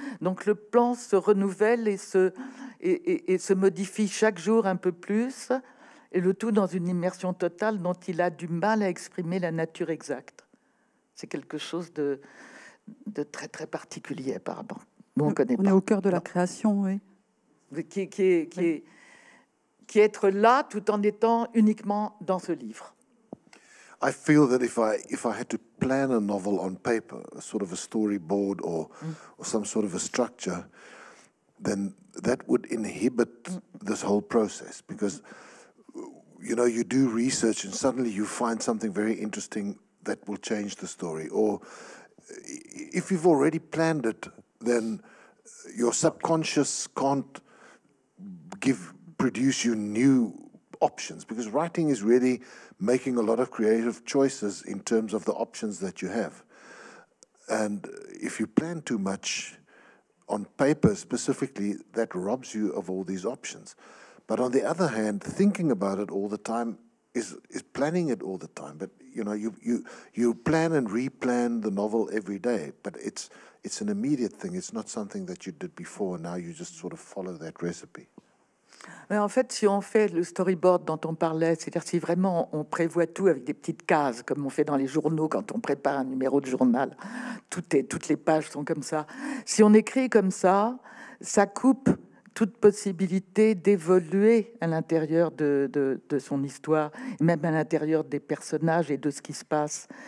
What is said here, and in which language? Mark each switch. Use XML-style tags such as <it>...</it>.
<fr>Donc le plan se renouvelle et se modifie chaque jour un peu plus, et le tout dans une immersion totale dont il a du mal à exprimer la nature exacte. C'est quelque chose de très très particulier apparemment. Bon, on est au cœur de la création, oui. Qui être là tout en étant uniquement dans ce livre.</fr> <en>I feel that if I had to plan a novel on paper, a sort of a storyboard or some sort of a structure, then that would inhibit this whole process because you know you do research and suddenly you find something very interesting that will change the story or if you've already planned it, then your subconscious can't produce you new options because writing is really making a lot of creative choices in terms of the options that you have. And if you plan too much on paper specifically, that robs you of all these options. But on the other hand, thinking about it all the time is planning it all the time, but you know you plan and replan the novel every day, but it's an immediate thing. It's not something that you did before. Now you just sort of follow that recipe.</en> <fr>Mais en fait, si on fait le storyboard dont on parlait, c'est-à-dire si vraiment on prévoit tout avec des petites cases, comme on fait dans les journaux quand on prépare un numéro de journal, toutes les pages sont comme ça. Si on écrit comme ça, ça coupe toute possibilité d'évoluer à l'intérieur de son histoire, même à l'intérieur des personnages et de ce qui se passe.</fr>